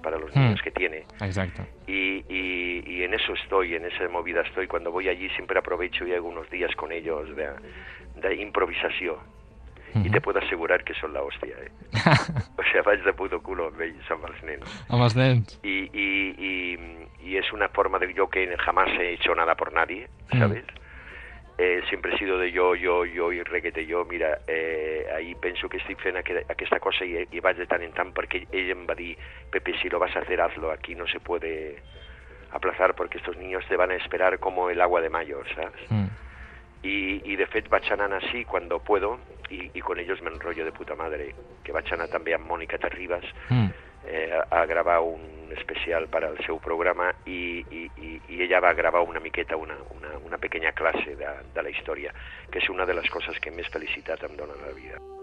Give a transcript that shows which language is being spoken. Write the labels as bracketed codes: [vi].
[es] Para los niños que tiene. Exacto. Y en eso estoy, en esa movida estoy. Cuando voy allí siempre aprovecho y hago unos días con ellos de improvisación. I te puedo asegurar que son la hostia, ¿eh? O sea, [ca] vaig de puto culo amb ells, amb els nens. Amb els nens. I és una forma de... [es] Jo que jamás he hecho nada por nadie, ¿sabes? Sempre he sido de yo y reguete yo. [ca] Mira, ahí penso que estic fent aquesta cosa i vaig de tant en tant perquè ell em va dir: Pepe, [es] si lo vas a hacer, hazlo. Aquí no se puede aplazar porque estos niños te van a esperar como el agua de mayo, ¿sabes? [ca] I de fet vaig anant així quan puedo i [es] con ellos me enrollo de puta madre, [ca] que vaig anar també amb Mònica Terribas a gravar un especial per al seu programa i ella va gravar una miqueta una pequeña classe de la història, que és una de les coses que més felicitat em dona la vida.